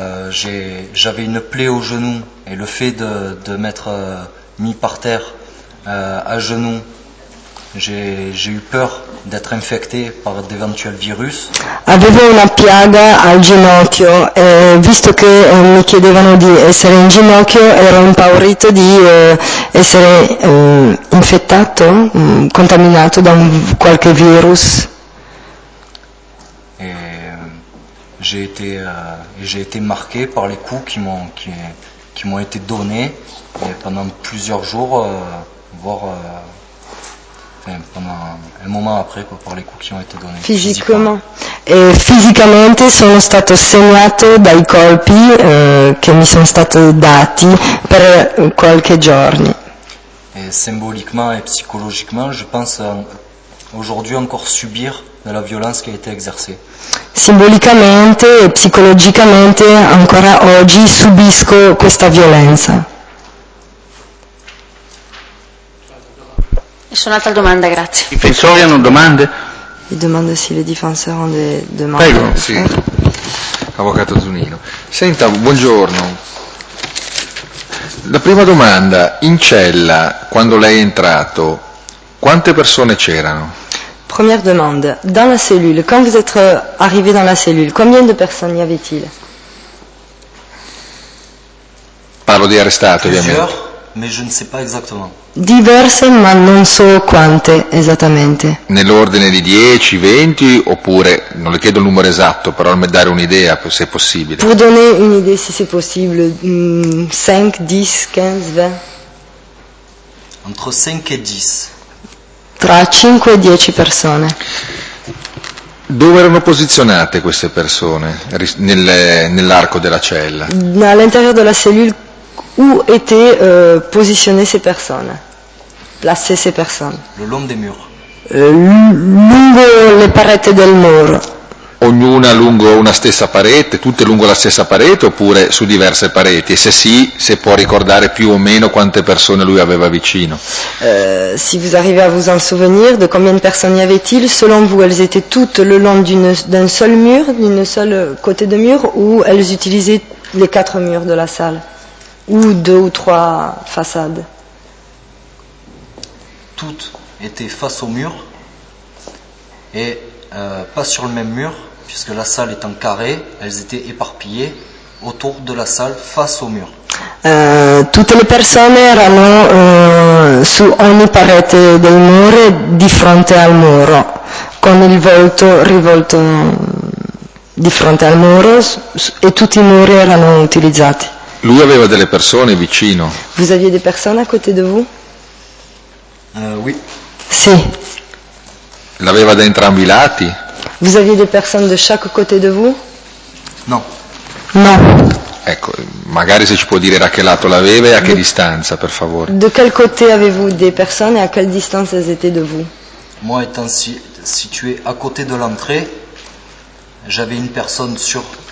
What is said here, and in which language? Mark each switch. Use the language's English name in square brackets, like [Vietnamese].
[French] J'avais une plaie au genou et le fait de m'être mis par terre à genoux, j'ai eu peur d'être infecté par d'éventuels virus. [Italian] Avevo una piaga al ginocchio e visto che mi chiedevano di essere in ginocchio ero impaurito di essere infettato, contaminato da qualche virus. [French] J'ai été marqué par les coups qui m'ont été donnés et pendant plusieurs jours, voire pendant un moment après, quoi, par les coups qui ont été donnés. Physiquement. Et physiquement, [Italian] sono stato segnato dai colpi che mi sono stati dati per qualche giorni. [French] Et symboliquement et psychologiquement, je pense aujourd'hui encore subir de la violence qui a été exercée. [Italian] Simbolicamente e psicologicamente ancora oggi subisco questa violenza. Nessuna altra domanda, grazie. I difensori hanno domande? Le domande sì, le difensori hanno domande. Prego, sì. Avvocato Zunino. Senta, buongiorno. La prima domanda, in cella, quando lei è entrato, quante persone c'erano? [French] Première demande, dans la cellule, quand vous êtes arrivé dans la cellule, combien de personnes y avait-il? [Italian] Parlo di arrestato, ovviamente. [French] Plusieurs, mais je ne sais pas exactement. [Italian] Diverse, ma non so quante esattamente. Nell'ordine di 10, 20, oppure, non le chiedo il numero esatto, però mi dare un'idea, se è possibile. [French] Pour donner une idée, si c'est possible, 5, 10, 15, 20. Entre 5 et 10. [Italian] Tra 5 e 10 persone. Dove erano posizionate queste persone nell'arco della cella? All'interno della cellula, [French] où étaient posizionate ces persone? Placé ces persone? Le long des murs. [Italian] Lungo le pareti del muro. Ognuna lungo una stessa parete, tutte lungo la stessa parete oppure su diverse pareti? E se sì, se può ricordare più o meno quante persone lui aveva vicino? [French] Si vous arrivez à vous en souvenir de combien de personnes y avait-il, selon vous, elles étaient toutes le long d'un seul mur, d'une seule côté de mur, ou elles utilisaient les quatre murs de la salle, ou deux ou trois façades? Toutes étaient face au mur, et pas sur le même mur, puisque la salle est en carré, elles étaient éparpillées autour de la salle face au mur. Toutes les personnes [Italian] erano su ogni parete del muro di fronte al muro, con il volto rivolto di fronte al muro e tutti i muri erano utilizzati. Lui aveva delle persone vicino. [French] Vous aviez des personnes à côté de vous? Oui. [Italian] Sì. L'aveva da entrambi i lati? [French] Vous aviez des personnes de chaque côté de vous? Non. [Italian] Non. Ecco, magari se ci può dire da che lato l'aveva e a che distanza, per favore. [French] De quel côté avez-vous des personnes et à quelle distance elles étaient de vous? Moi étant situé à côté de l'entrée, j'avais une personne sur...